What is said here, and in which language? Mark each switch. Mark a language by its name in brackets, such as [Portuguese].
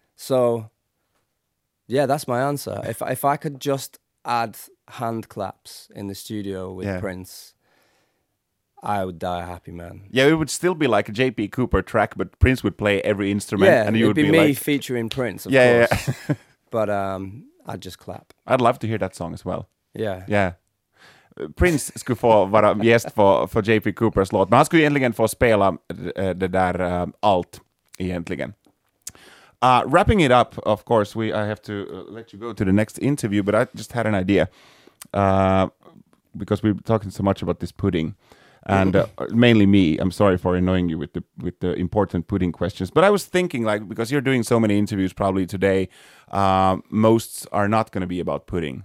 [English] So, yeah, that's my answer. If I could just add hand claps in the studio with Prince, I would die a happy man. Yeah, it would still be like a J.P. Cooper track, but Prince would play every instrument. Yeah, and it would be me like featuring Prince, of course. But I'd just clap. I'd love to hear that song as well. Yeah. Yeah. [Swedish] Prince skulle få vara gäst för J.P. Coopers låt. Men han skulle egentligen få spela det där allt egentligen. [English] Wrapping it up, of course, I have to let you go to the next interview. But I just had an idea. Because we've been talking so much about this pudding. And mainly me. I'm sorry for annoying you with the important pudding questions. But I was thinking, like, because you're doing so many interviews probably today, most are not going to be about pudding.